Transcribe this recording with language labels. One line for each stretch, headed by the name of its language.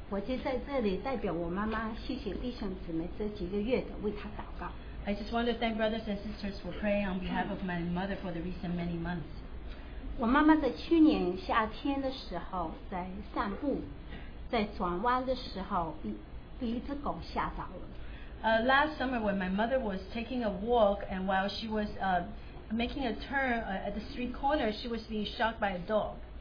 English: I just want to thank brothers and sisters for praying on behalf of my mother for the recent many months.
Chinese: 我妈妈在去年夏天的时候在散步, 在转弯的时候, 被一只狗吓到了。
English: Last summer when my mother was taking a walk and while she was making a turn at the street corner, she was being shot by a dog.